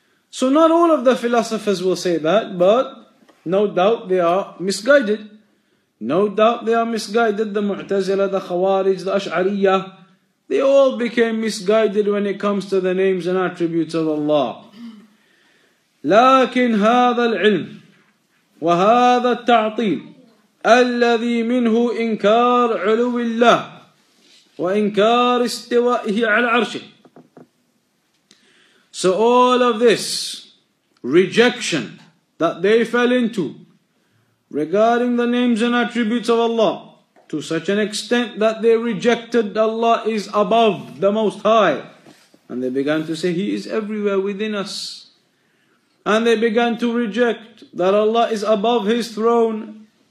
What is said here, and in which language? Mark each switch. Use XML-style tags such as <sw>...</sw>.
<en>So not all of the philosophers will say that, but no doubt they are misguided. No doubt they are misguided, the Mu'tazila, the Khawarij, the Ash'ariyah. They all became misguided when it comes to the names and attributes of Allah.</en> <ar>لكن هذا العلم وهذا التعطيل الذي منه إنكار علو الله وإنكار استوائه على عرشه.</ar> <en>So all of this rejection that they fell into regarding the names and attributes of Allah to such an extent that they rejected Allah is above the Most High. And they began to say He is everywhere within us. And they began to reject that Allah is above His throne.</en>